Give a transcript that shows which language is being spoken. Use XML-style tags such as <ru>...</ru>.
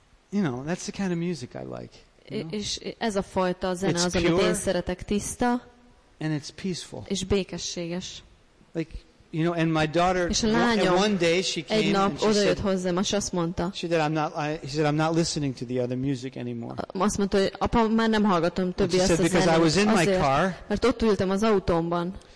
<en>You know, that's the kind of music I like.</en> <hu>És ez a fajta zene az, amit én szeretek, tiszta.</hu> <en>And it's peaceful.</en> <hu>És békességes.</hu> <en>Like, you know, and my daughter,</en> <hu>és a lányom,</hu> <en>one day she came</en> <hu>egy nap</hu> <en>and she</en> <hu>odajött hozzám, és azt mondta.</hu> <en>She said I'm not listening to the other music anymore.</en> <hu>Azt mondta, hogy apa, már nem hallgatom többé ezt a zenét.</hu> <en>Because I was in my car.</en> <hu>Mert ott ültem az autómban.</hu>